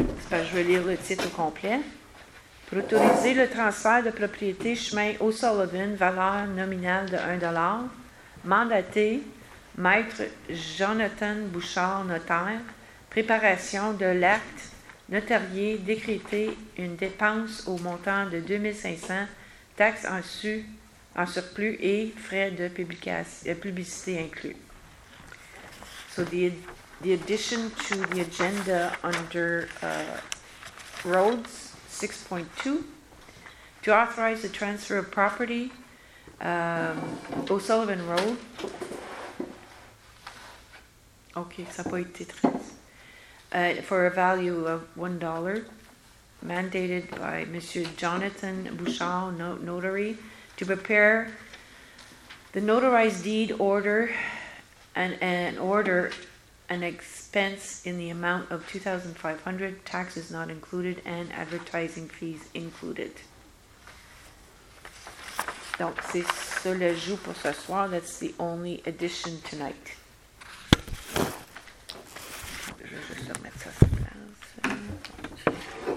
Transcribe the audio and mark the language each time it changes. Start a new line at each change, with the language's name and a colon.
French: Ben, je vais lire le titre au complet. Pour autoriser le transfert de propriété chemin O'Sullivan, valeur nominale de 1$, mandaté Maître Jonathan Bouchard, notaire, préparation de l'acte notarié décrété une dépense au montant de 2 500, taxe en sus en surplus et frais de publicité inclus.
English: So the addition to the agenda under roads 6.2 to authorize the transfer of property O'Sullivan Road.
French: Okay, ça peut être très.
English: For a value of $1, mandated by Monsieur Jonathan Bouchard, notary, to prepare the notarized deed order and an order an expense in the amount of $2,500, taxes not included, and advertising fees included.
French: Donc, c'est ça le jour pour ce soir.
English: That's the only addition tonight.
French: Je vais juste remettre ça sur place.